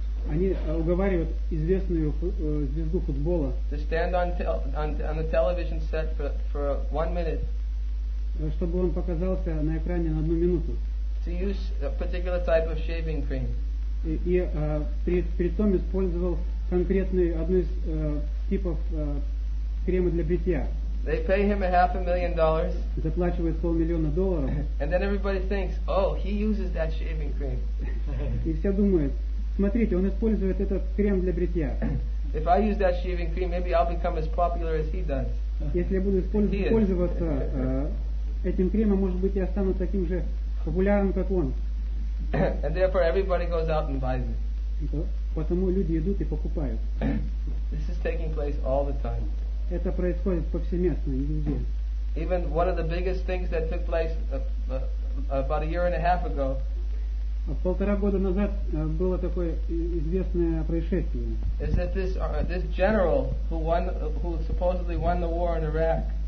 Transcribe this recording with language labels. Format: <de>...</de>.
<ru>Они уговаривают известную звезду футбола</ru> <en>to stand on the television set for 1 minute,</en> <ru>чтобы он показался на экране на 1 минуту,</ru> <en>to use a particular type of shaving cream.</en> <ru>И при том использовал конкретный одну из типов крема для бритья.</ru> <en>They pay him $500,000.</en> <ru>Заплачивают $500,000.</ru> <en>And then everybody thinks, oh, he uses that shaving cream.</en> <ru>И все думают, смотрите, он использует этот крем для бритья.</ru> <en>If I use that shaving cream, maybe I'll become as popular as he does.</en> <ru>Если я буду пользоваться этим кремом, может быть, я стану таким же популярным, как он.</ru> <en>And therefore, everybody goes out and buys it.</en> <ru>Потому люди идут и покупают.</ru> <en>This is taking place all the time.</en> <ru>Это происходит повсеместно, везде.</ru> <en>Even one of the biggest things that took place about a year and a half ago.</en> <ru>Полтора года назад было такое известное происшествие.</ru> <en>Is that this general who supposedly won the war in Iraq?</en>